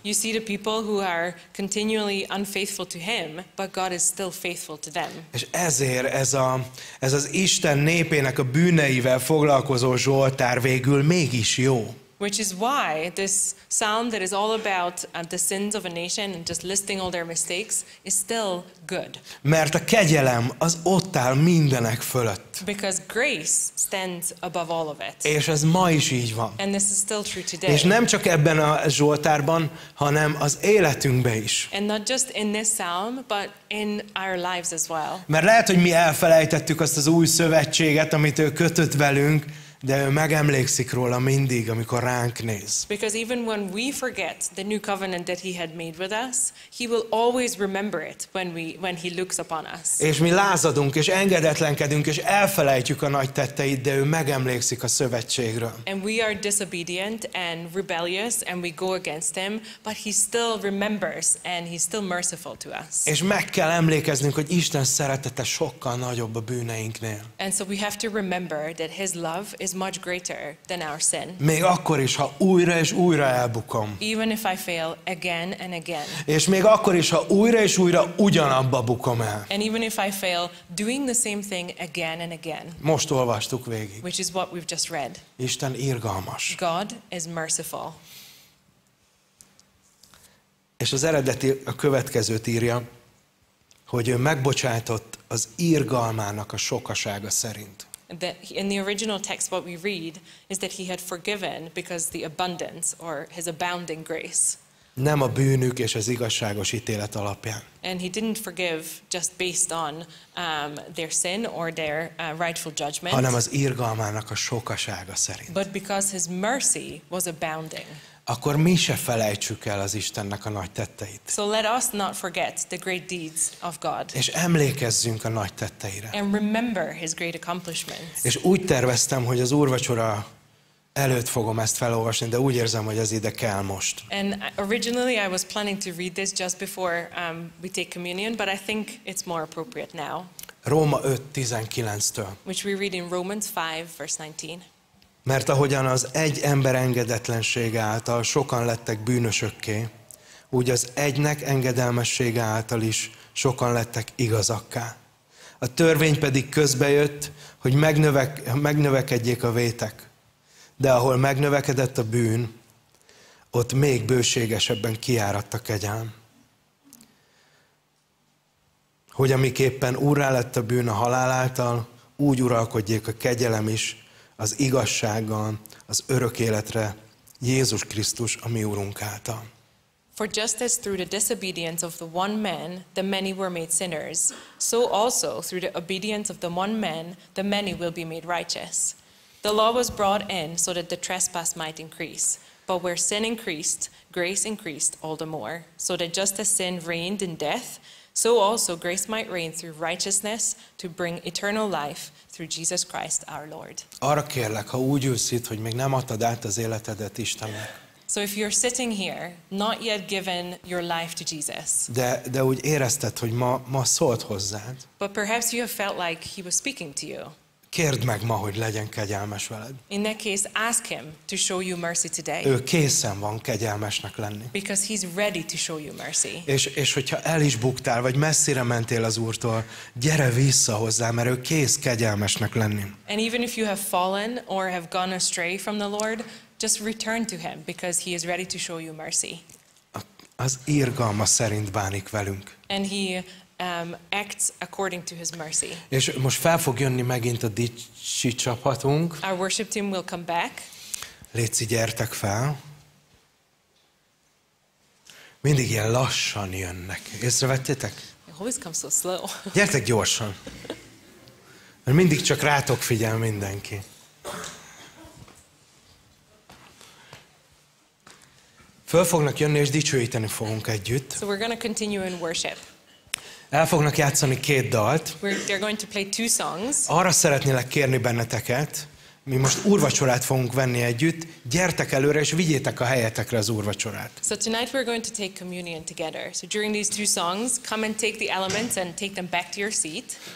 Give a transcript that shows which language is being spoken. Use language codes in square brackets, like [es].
[en] You see the people who are continually unfaithful to him, but God is still faithful to them. [hu] És ezért ez az Isten népének a bűneivel foglalkozó Zsoltár végül mégis jó. [en] Which is why this psalm that is all about the sins of a nation and just listing all their mistakes is still good. [hu] Mert a kegyelem az ott áll mindenek fölött. [en] Because grace stands above all of it. [hu] És ez ma is így van. [en] And this is still true today. [hu] És nem csak ebben a Zsoltárban, hanem az életünkben is. [en] And not just in this psalm, but in our lives as well. [hu] Mert lehet, hogy mi elfelejtettük azt az új szövetséget, amit ő kötött velünk, de ő megemlékszik róla mindig, amikor ránk néz. [en] Because even when we forget the new covenant that he had made with us, he will always remember it when he looks upon us. [hu] És mi lázadunk és engedetlenkedünk és elfelejtjük a nagy tetteit, de ő megemlékszik a szövetségről. [en] And we are disobedient and rebellious and we go against him, but he still remembers and he's still merciful to us. [hu] És meg kell emlékeznünk, hogy Isten szeretete sokkal nagyobb a bűneinknél. [en] And so we have to remember that his love is much greater than our sin. [hu] Még akkor is, ha újra és újra elbukom. [en] Even if I fail again and again. [hu] És még akkor is, ha újra és újra ugyanabba bukom el. [en] And even if I fail doing the same thing again and again. [hu] Most olvastuk végig. [en] Which is what we've just read. [hu] Isten irgalmas. [en] God is merciful. [hu] És az eredeti a következőt írja, hogy ő megbocsátott az irgalmának a sokasága szerint. [en] That in the original text what we read is that he had forgiven because the abundance or his abounding grace. [hu] Nem a bűnük és az igazságos ítélet alapján. [en] And he didn't forgive just based on their sin or their rightful judgment. [hu] Hanem az irgalmának a sokasága szerint. [en] But because his mercy was abounding. [hu] Akkor mi se felejtsük el az Istennek a nagy tetteit. [en] So let us not forget the great deeds of God. [hu] És emlékezzünk a nagy tetteire. [en] And remember his great accomplishments. [hu] És úgy terveztem, hogy az úrvacsora előtt fogom ezt felolvasni, de úgy érzem, hogy ez ide kell most. [en] And originally I was planning to read this just before we take communion, but I think it's more appropriate now. [hu] Róma 5:19-től. [en] Which we read in Romans 5, verse 19. [hu] Mert ahogyan az egy ember engedetlensége által sokan lettek bűnösökké, úgy az egynek engedelmessége által is sokan lettek igazakká. A törvény pedig közbejött, hogy megnövekedjék a vétek. De ahol megnövekedett a bűn, ott még bőségesebben kiáradt a kegyelem. Hogy amiképpen úrrá lett a bűn a halál által, úgy uralkodjék a kegyelem is, az igazsággal, az örök életre, Jézus Krisztus, a mi Úrunk által. [en] For just as through the disobedience of the one man, the many were made sinners, so also through the obedience of the one man, the many will be made righteous. The law was brought in so that the trespass might increase, but where sin increased, grace increased all the more, so that just as sin reigned in death, so also grace might reign through righteousness to bring eternal life through Jesus Christ our Lord. [hu] Arra kérlek, ha úgy ülsz itt, hogy még nem adtad át az életedet Istennek. [en] So if you're sitting here, not yet given your life to Jesus. [hu] De úgy érezted, hogy ma szólt hozzád. [en] But perhaps you have felt like he was speaking to you. [hu] Kérd meg ma, hogy legyen kegyelmes veled. [en] In that case, ask him to show you mercy today. [hu] Ő készen van kegyelmesnek lenni. [en] Because he's ready to show you mercy. [hu] És hogyha el is buktál, vagy messzire mentél az Úrtól, gyere vissza hozzá, mert ő kész kegyelmesnek lenni. [en] And even if you have fallen or have gone astray from the Lord, just return to him because he is ready to show you mercy. [hu] Az irgalma szerint bánik velünk. [en] And he acts according to his mercy. [hu] És most fel fog jönni megint a dicsi csapatunk. [en] Our worship team will come back. [hu] Léci, gyertek fel. Mindig ilyen lassan jönnek. Észrevettétek? [en] They always come so slow. [hu] Gyertek gyorsan. Mert mindig csak rátok figyel mindenki. Föl fognak jönni és dicsőíteni fogunk együtt. [en] So we're going to continue in worship. [hu] El fognak játszani két dalt. [en] Going to play two songs. [hu] Arra szeretnélek kérni benneteket, mi most úrvacsorát fogunk venni együtt, gyertek előre és vigyétek a helyetekre az úrvacsorát. [en] So tonight we're going to take communion together. So during these two songs, come and take the elements and take them back to your seat.